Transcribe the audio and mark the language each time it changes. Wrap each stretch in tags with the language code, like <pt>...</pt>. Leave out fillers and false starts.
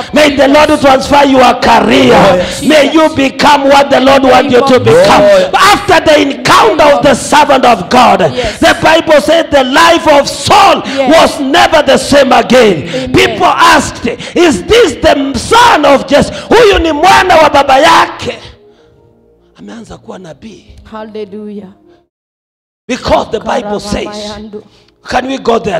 <en>May the Lord transfer your career. May you become what the Lord wants you to become. After the encounter of the servant of God, the Bible said the life of Saul was never the same again. People asked, is this the son of Jesse?</en> <sw>Huyu ni mwana wa baba yake. Ameanza kuwa nabii.</sw> <en>Hallelujah. Because the Bible says, can we go there?</en>